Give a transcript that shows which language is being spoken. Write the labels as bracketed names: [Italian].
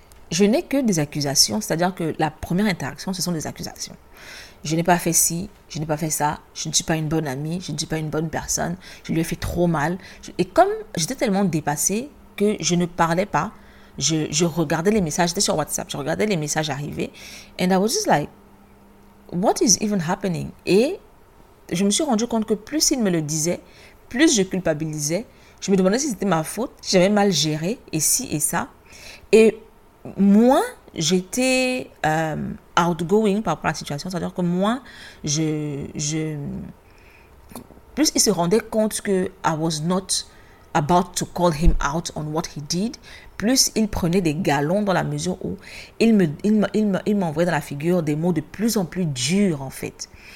[French] Je n'ai que des accusations, c'est-à-dire que la première interaction, ce sont des accusations. Je n'ai pas fait ci, je n'ai pas fait ça, je ne suis pas une bonne amie, je ne suis pas une bonne personne, je lui ai fait trop mal. Et comme j'étais tellement dépassée que je ne parlais pas, je regardais les messages, j'étais sur WhatsApp, je regardais les messages arriver. [English] And I was just like, what is even happening? [French] Et je me suis rendu compte que plus il me le disait, plus je culpabilisais. Je me demandais si c'était ma faute, si j'avais mal géré, et ci et ça. Et moins j'étais outgoing par rapport à la situation, c'est-à-dire que moins plus il se rendait compte que [English] I was not about to call him out on what he did, [French] plus il prenait des galons dans la mesure où il m'envoyait dans la figure des mots de plus en plus durs, en fait.